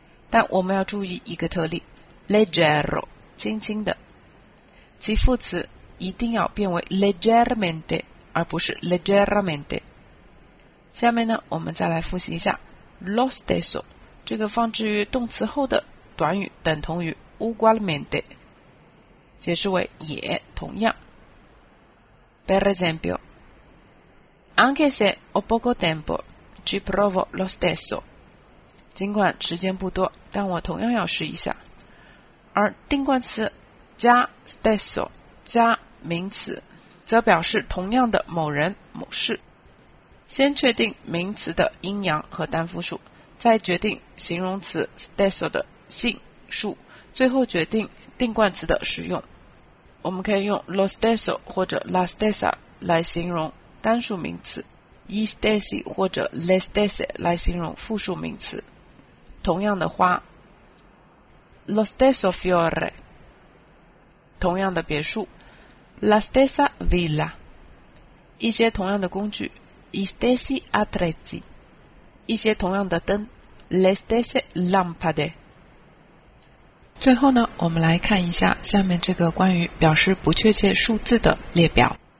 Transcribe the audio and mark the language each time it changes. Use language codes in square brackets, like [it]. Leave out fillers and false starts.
[zh] 但我们要注意一个特例， leggero 轻轻的，其副词一定要变为 leggermente 而不是 leggeramente。下面呢，我们再来复习一下 lo stesso， 这个放置于动词后的短语等同于 ugualmente， 解释为也同样。 [it] Per esempio, anche se ho poco tempo, ci provo lo stesso. [zh] 尽管时间不多，但我同样要试一下。而定冠词加 stesso 加名词，则表示同样的某人某事。先确定名词的阴阳和单复数，再决定形容词 stesso 的性数，最后决定定冠词的使用。我们可以用 lo stesso 或者 la stessa 来形容单数名词， gli stessi 或者 le stesse 来形容复数名词。同样的花 [it] lo stesso fiore. [zh] 同样的别墅 La stessa villa. 一些同样的工具 I stessi attrezzi. 一些同样的灯 Le stesse lampade. 最后呢，我们来看一下下面这个关于表示不确切数字的列表。